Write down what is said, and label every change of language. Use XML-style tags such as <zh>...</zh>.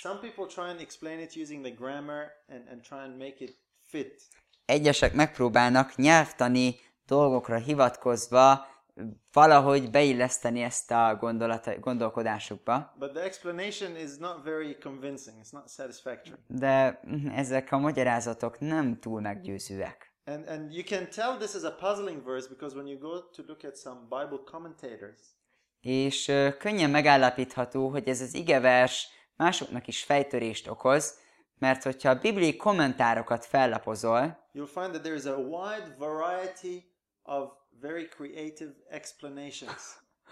<en>Some people try and explain it using the grammar and try and make it fit.</en> <hu>Egyesek megpróbálnak nyelvtani dolgokra hivatkozva valahogy beilleszteni ezt a gondolkodásukba.</hu> <en>But the explanation is not very convincing, it's not satisfactory.</en> <hu>De ezek a magyarázatok nem túl meggyőzőek.</hu> <en>And you can tell this is a puzzling verse because when you go to look at some Bible commentators.</en> <hu>És könnyen megállapítható, hogy ez az igevers másoknak is fejtörést okoz, mert hogyha a bibliai kommentárokat fellapozol,</hu> <en>you'll find that there is a wide variety of very creative explanations.</en>